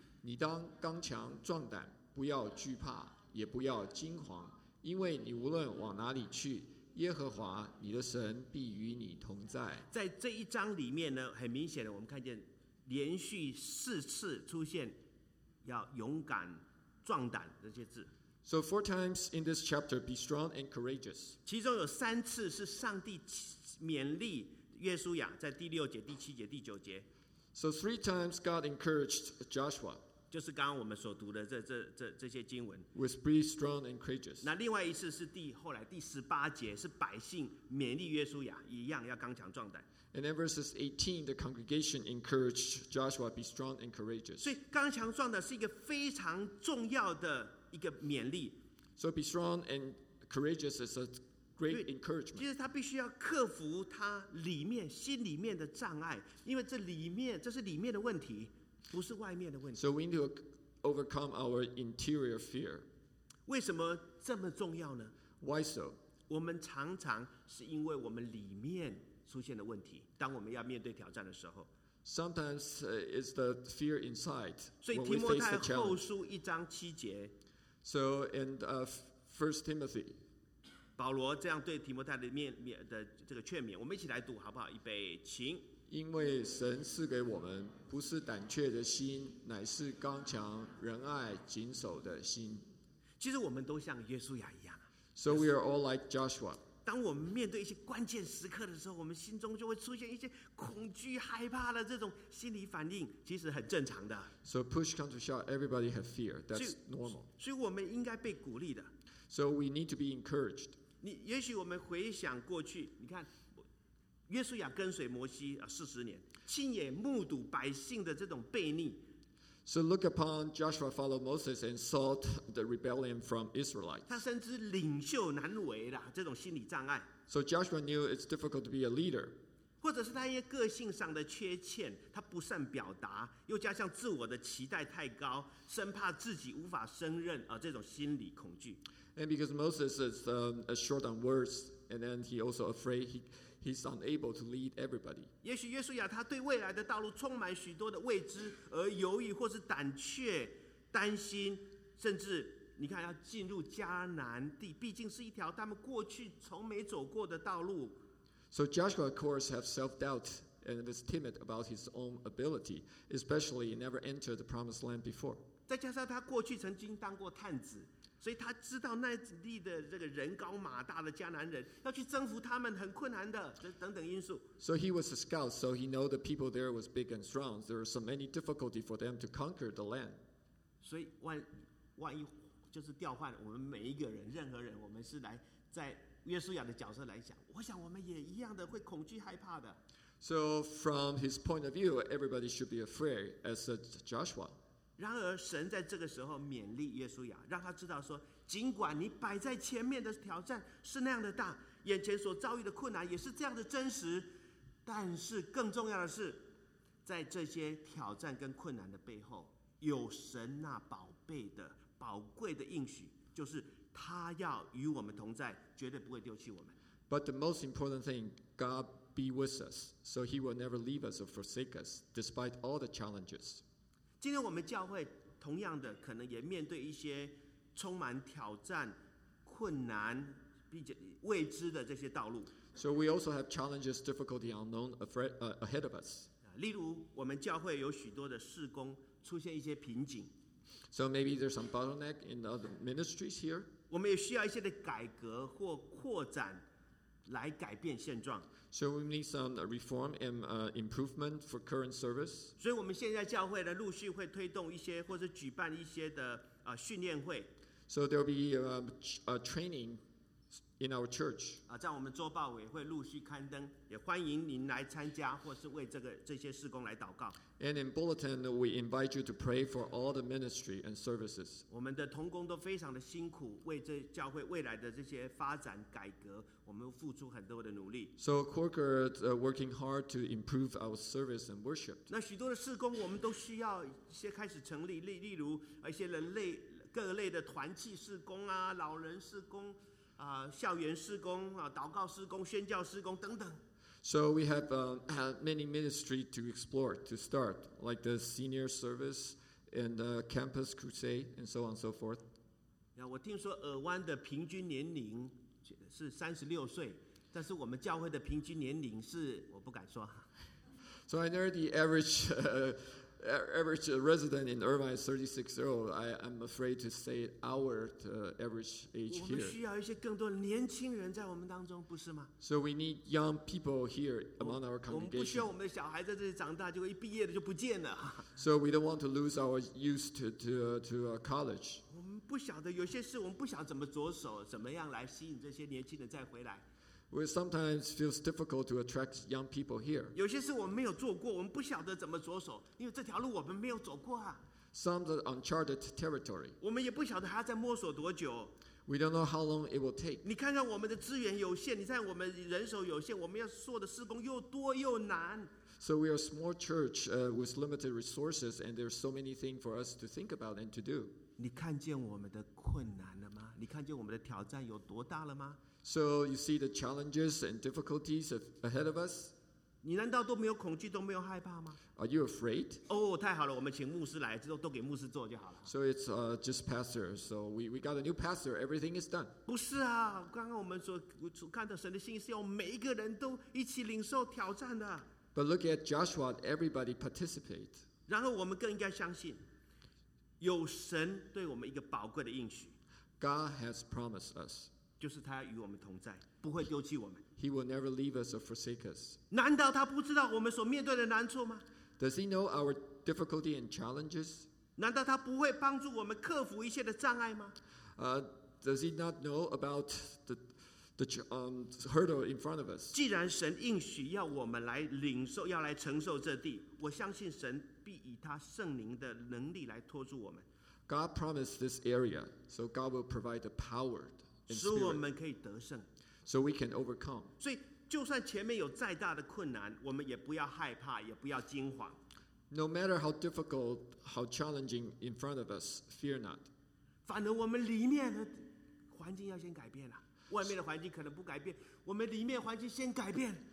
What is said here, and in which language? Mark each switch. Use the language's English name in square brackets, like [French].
[Chinese] 你当刚强壮胆，不要惧怕，也不要惊惶，因为你无论往哪里去，耶和华你的神必与你同在。在这一章里面呢，很明显的我们看见连续四次出现要勇敢壮胆这些字。 [English] So four times in this chapter, be strong and courageous. [Chinese] 其中有三次是上帝勉励约书亚，在第六节、第七节、第九节。 [English] So three times God encouraged Joshua. [Chinese] 就是刚刚我们所读的这些经文。 [English] With be strong and courageous. [Chinese] 那另外一次是后来第十八节，是百姓勉励约书亚，一样要刚强壮胆。 [English] And then verses 18, the congregation encouraged Joshua, be strong and courageous. [Chinese] 所以刚强壮胆是一个非常重要的。一个勉励。 [English] So be strong and courageous is a great encouragement. [Chinese] 其实他必须要克服他里面心里面的障碍，因为这里面这是里面的问题，不是外面的问题。 [English] So we need to overcome our interior fear. [Chinese] 为什么这么重要呢 [English] ？Why so? [Chinese] 我们常常是因为我们里面出现的问题，当我们要面对挑战的时候。 [English] Sometimes it's the fear inside. [Chinese] 所以提摩太后书一章七节。 [English] So in First Timothy, [Chinese] 保罗这样对提摩太的这个劝勉，我们一起来读好不好？预备，请。因为神赐给我们不是胆怯的心，乃是刚强、仁爱、谨守的心。其实我们都像约书亚一样。 [English] So we are all like Joshua. [Chinese] 当我们面对一些关键时刻的时候，我们心中就会出现一些恐惧、害怕的这种心理反应，其实很正常的。 [English] So push comes to shove, everybody has fear. That's normal. [Chinese] 所以我们应该被鼓励的。 [English] So we need to be encouraged. [Chinese] 你也许我们回想过去，你看，约书亚跟随摩西40年，亲眼目睹百姓的这种悖逆。 [English] So look upon Joshua followed Moses and saw the rebellion from Israelites. [Chinese] 他深知领袖难为的这种心理障碍。 [English] So Joshua knew it's difficult to be a leader. [Chinese] 或者是他因为个性上的缺陷，他不善表达，又加上自我的期待太高，生怕自己无法胜任这种心理恐惧。 [English] And because Moses is short on words, and then he also afraid he's unable to lead everybody. [Chinese] 也许约书亚他对未来的道路充满许多的未知，而犹豫或是胆怯、担心，甚至你看要进入迦南地，毕竟是一条他们过去从没走过的道路。 [English] So Joshua, of course, has self-doubt and is timid about his own ability, especially he never entered the Promised Land before. [Chinese] 再加上他过去曾经当过探子。所以他知道那地的这个人高马大的迦南人要去征服他们很困难的等等因素。 [English] So he was a scout, so he knew the people there was big and strong. There were so many difficulty for them to conquer the land. [Chinese] 所以万一就是调换我们每一个人，任何人，我们是来在约书亚的角色来讲，我想我们也一样的会恐惧害怕的。 [English] So from his point of view, everybody should be afraid, as said Joshua. [Chinese] 然而神在这个时候勉励约书亚，让他知道说，尽管你摆在前面的挑战是那样的大，眼前所遭遇的困难也是这样的真实，但是更重要的是，在这些挑战跟困难的背后，有神那宝贝的宝贵的应许，就是他要与我们同在，绝对不会丢弃我们。 [English] But the most important thing, God be with us, so he will never leave us or forsake us despite all the challenges. [Chinese] 今天我们教会同样的可能也面对一些充满挑战、困难并且未知的这些道路。 [English] So we also have challenges, difficulty, unknown ahead of us. [Chinese] 例如我们教会有许多的事工出现一些瓶颈。 [English] So maybe there's some bottleneck in other ministries here. [Chinese] 我们也需要一些的改革或扩展来改变现状。 [English] So we need some reform and improvement for current service. [Chinese] 所以我们现在教会呢，陆续会推动一些，或者举办一些的训练会。 [English] So there'll be a training in our church. [Chinese] 在我们周报也会陆续刊登，也欢迎您来参加，或是为这些事工来祷告。 [English] And in bulletin, we invite you to pray for all the ministry and services. [Chinese] 我们的同工都非常的辛苦，为这教会未来的这些发展改革，我们付出很多的努力。 [English] So Corker's working hard to improve our service and worship. [Chinese] 那许多的事工，我们都需要一些开始成立，例如一些人类各类的团契事工啊，老人事工啊，校园事工啊，祷告事工，宣教事工等等。 [English] So we have many ministry to explore to start, like the senior service and the campus crusade and so on and so forth. [Chinese] 我听说尔湾的平均年龄是36岁，但是我们教会的平均年龄是我不敢说。 [English] So I know the average resident in Irvine is 36 years old. I am afraid to say our average age here. [Chinese] 我们需要一些更多年轻人在我们当中，不是吗？ [English] So we need young people here among our congregation. [Chinese] 我们不需要我们的小孩在这里长大，结果一毕业的就不见了。 [English] So we don't want to lose our youth to college. [Chinese] 我们不晓得有些事，我们不想怎么着手，怎么样来吸引这些年轻人再回来。 [English] We sometimes feel it's difficult to attract young people here. [Chinese] 有些事我们没有做过，我们不晓得怎么着手，因为这条路我们没有走过啊。 [English] Some are uncharted territory. [Chinese] 我们也不晓得还要再摸索多久。 [English] We don't know how long it will take. [Chinese] 你看看我们的资源有限，你看我们人手有限，我们要做的事工又多又难。 [English] So we are a small church with limited resources, and there are so many things for us to think about and to do. [Chinese] 你看见我们的困难了吗？你看见我们的挑战有多大了吗？ [English] So you see the challenges and difficulties ahead of us? [Chinese] 你难道都没有恐惧，都没有害怕吗？ [English] Are you afraid? [Chinese] 太好了，我们请牧师来，都给牧师做就好了。 [English] So it's just pastor. So we got a new pastor. Everything is done. [Chinese] 不是啊，刚刚我们所看到神的心意是要每一个人都一起领受挑战的。 [English] But look at Joshua. Everybody participate. [Chinese] 然后我们更应该相信，有神对我们一个宝贵的应许。 [English] God has promised us. [Chinese] 就是他与我们同在，不会丢弃我们。 [English] He will never leave us or forsake us. [Chinese] 难道他不知道我们所面对的难处吗？ [English] Does he know our difficulty and challenges? [Chinese] 难道他不会帮助我们克服一些的障碍吗？ [English] Does he not know about the hurdle in front of us? [Chinese] 既然神应许要我们来领受，要来承受这地，我相信神必以他圣灵的能力来托住我们。 [English] God promised this area, so God will provide the power. [Chinese] 使我们可以得胜 [English] ，so we can overcome。 [Chinese] 所以，就算前面有再大的困难，我们也不要害怕，也不要惊慌。 [English] No matter how difficult, how challenging in front of us, fear not。 [Chinese] 反而我们里面的环境要先改变了，外面的环境可能不改变，我们里面环境先改变。